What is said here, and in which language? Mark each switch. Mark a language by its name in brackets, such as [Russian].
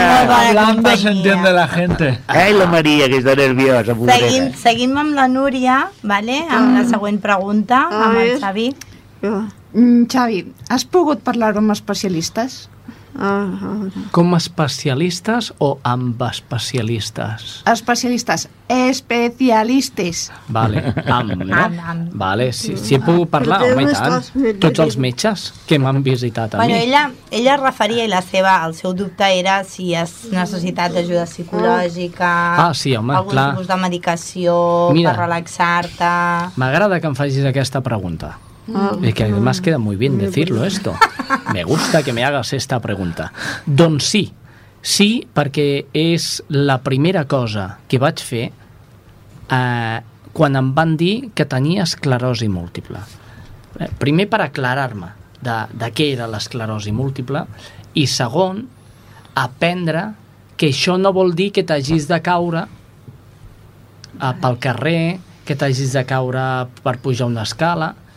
[Spanish] Hablando se entiende la gente. Ay, la María, que está nerviosa. Seguimos con la Núria, ¿vale? Con la siguiente pregunta, con el Xavi. [Catalan] Xavi, ¿has pogut parlar amb especialistes? Com especialistes o amb especialistes? Especialistes, especialistes. Vale, amb, no? Am. Vale, si he pogut parlar, home, i tant. Tots els metges que m'han visitat a bueno, mi. Bueno, ella es referia i el seu dubte era si has necessitat ajuda psicològica. Ah, sí, home, algun clar. Algun tipus de medicació. Mira, per relaxar-te. M'agrada que em facis aquesta pregunta. [Spanish] Y que además queda muy bien decirlo esto. Me gusta que me hagas esta pregunta. [Catalan] Doncs sí. Sí, perquè és la primera cosa que vaig fer quan em van dir que tenia esclerosi múltiple. Primer, per aclarar-me de què era l'esclerosi múltiple, i segon, aprendre que això no vol dir que t'hagis de caure pel carrer, que t'hagis de caure per pujar una escala.